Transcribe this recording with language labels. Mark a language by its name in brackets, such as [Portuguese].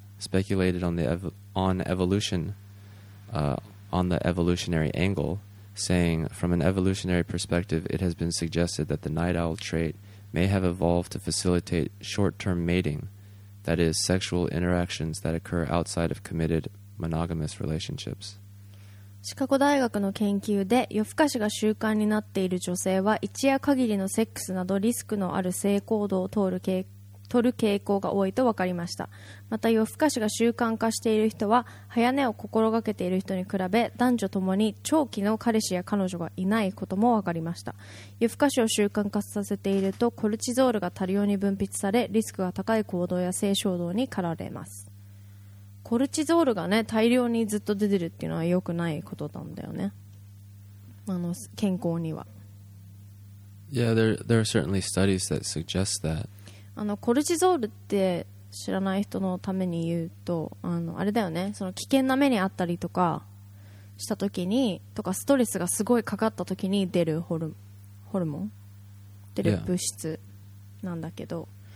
[English] speculated on the evolutionary angle, saying, from an evolutionary perspective, it has been suggested that the night owl trait may have evolved to facilitate short-term mating, that is, sexual interactions that occur outside of committed monogamous relationships. [Japanese] シカゴ大学の研究で、夜更かしが習慣になっている女性は、一夜限りのセックスなどリスクのある性行動を通る傾取る傾向が多いと分かりました。また夜更かしが習慣化している人は早寝を心がけている人に比べ男女ともに長期の彼氏や彼女がいないことも分かりました。夜更かしを習慣化させているとコルチゾールが多量に分泌されリスクが高い行動や性衝動に駆られます。コルチゾールがね大量にずっと出てるっていうのは良くないことなんだよね、あの健康には。 [English] Yeah, there are certainly studies that suggest that. [Japanese] あのコルチゾールって知らない人のために言うと、あのあれだよね、その危険な目にあったりとかした時にとかストレスがすごいかかった時に出るホルモン出る物質なんだけど、